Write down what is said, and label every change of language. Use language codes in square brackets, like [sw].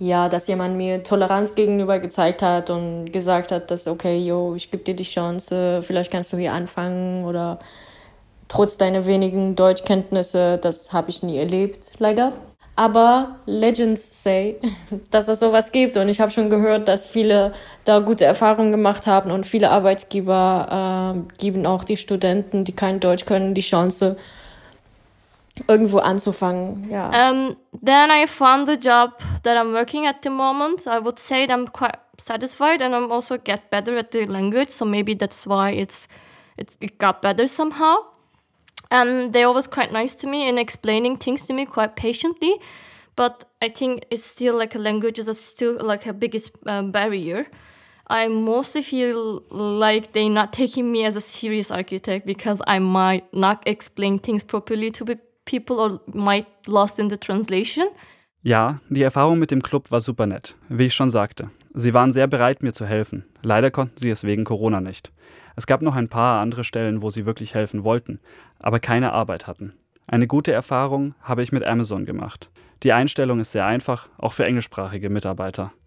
[de] Dass jemand mir Toleranz gegenüber gezeigt hat und gesagt hat, dass okay, yo, ich gebe dir die Chance, vielleicht kannst du hier anfangen oder trotz deiner wenigen Deutschkenntnisse, das habe ich nie erlebt, leider. Aber [en] Legends say, [de] dass es sowas gibt. Und ich habe schon gehört, dass viele da gute Erfahrungen gemacht haben. Und viele Arbeitgeber geben auch die Studenten, die kein Deutsch können, die Chance, irgendwo anzufangen. Ja. [en] Then I found the job that I'm working at the moment. I would say that I'm quite satisfied and I'm also get better at the language. So maybe that's why it got better somehow. And they always quite nice to me in explaining things to me quite patiently, but I think it's still like a language is still like a biggest barrier. I mostly feel like they're not taking me as a serious architect because I might not explain things properly to people or might lost in the translation. [de] Ja, die Erfahrung mit dem Club war super nett, wie ich schon sagte. Sie waren sehr bereit, mir zu helfen. Leider konnten sie es wegen Corona nicht. Es gab noch ein paar andere Stellen, wo sie wirklich helfen wollten, aber keine Arbeit hatten. Eine gute Erfahrung habe ich mit Amazon gemacht. Die Einstellung ist sehr einfach, auch für englischsprachige Mitarbeiter.